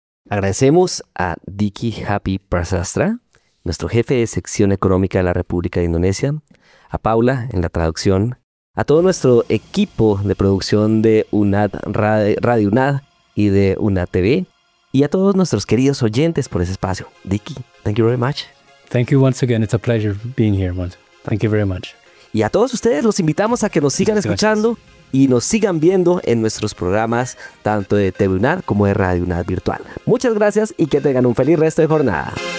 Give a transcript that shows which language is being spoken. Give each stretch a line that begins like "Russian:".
Spanish: Agradecemos a Diki Happy Prasastra, nuestro jefe de sección económica de la República de Indonesia, a Paula en la traducción, a todo nuestro equipo de producción de UNAD, Radio UNAD y de UNAD TV, y a todos nuestros queridos oyentes por ese espacio.
English: Diki, thank you very much. Thank you once again. It's a pleasure being here, Mont. Thank you very much.
Spanish: Y a todos ustedes los invitamos a que nos sigan escuchando y nos sigan viendo en nuestros programas, tanto de TV UNAD como de Radio UNAD Virtual. Muchas gracias y que tengan un feliz resto de jornada.